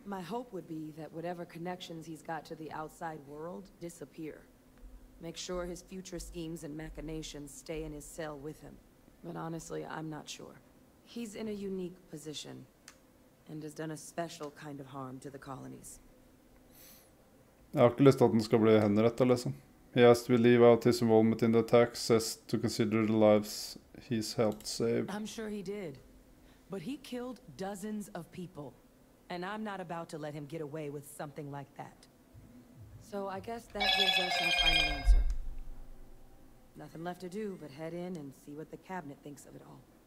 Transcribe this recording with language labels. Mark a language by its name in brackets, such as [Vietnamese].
[English] My hope would be that whatever connections he's got to the outside world disappear. Make sure his future schemes and machinations stay in his cell with him. But honestly, I'm not sure. He's in a unique position and has done a special kind of harm to the colonies. [Norwegian] Jeg har ikke lyst til at den skal bli henrettet, liksom. [English] He asked to leave out his involvement in the attack, says to consider the lives he's helped save. I'm sure he did. But he killed dozens of people, and I'm not about to let him get away with something like that. So I guess that gives us our final answer. Nothing left to do but head in and see what the cabinet thinks of it all.